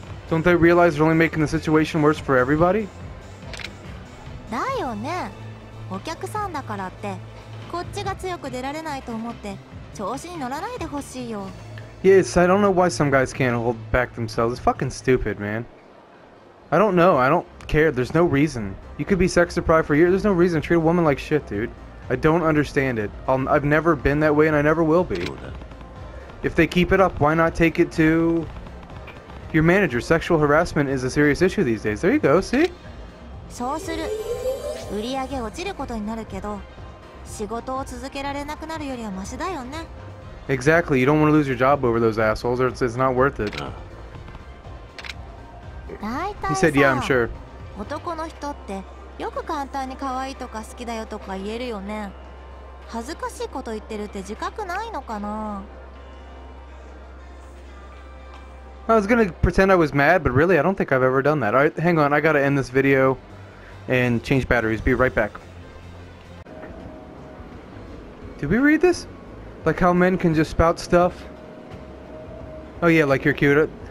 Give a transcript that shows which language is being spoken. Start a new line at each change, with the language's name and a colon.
English: Don't they realize they're only making the situation worse for everybody?
Japanese: だよね。お客さんだからって、こっちが強く出られないと思って、調子に乗らないでほしいよ。
English: Yes, I don't know why some guys can't hold back themselves. It's fucking stupid, man. I don't know. I don't care. There's no reason. You could be sex deprived for years. There's no reason. Treat a woman like shit, dude. I don't understand it. I've never been that way, and I never will be. If they keep it up, why not take it to your manager? Sexual harassment is a serious issue these days. There you go. See?
Japanese: そうする。売上落ちることになるけど、仕事を続けられなくなるよりはマシだよね。
English: Exactly. You don't want to lose your job over those assholes, or it's not worth it. He said, yeah, I'm sure.
Japanese: 男の人ってよく簡単に可愛いとか好きだよとか言えるよね。恥ずかしいこと言ってるって自覚ないのかな?
English: I was gonna pretend I was mad, but really, I don't think I've ever done that. Alright, hang on, I gotta end this video and change batteries. Be right back. Did we read this? Like how men can just spout stuff? Oh yeah, like you're cute.